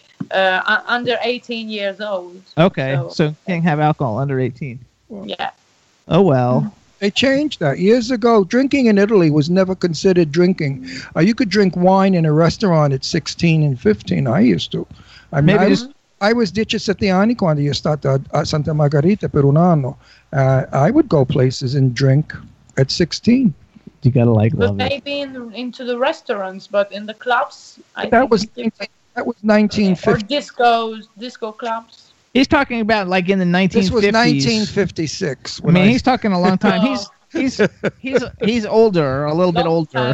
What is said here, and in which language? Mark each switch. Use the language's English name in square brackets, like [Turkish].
[English] under 18 years old. Okay, so can't have alcohol under 18. Yeah. Oh, well. They changed that. Years ago, drinking in Italy was never considered drinking. You could drink wine in a restaurant at 16 and 15. I used to. Maybe just I was [Italian] 17 anni quando io stato a Santa Margherita per un anno. [English] I would go places and drink at 16. You gotta like that. Maybe into the restaurants, but in the clubs. That was 1950. Or disco clubs. He's talking about like in the 1950s. This was 1956. He's talking a long time. He's older, a little long bit older.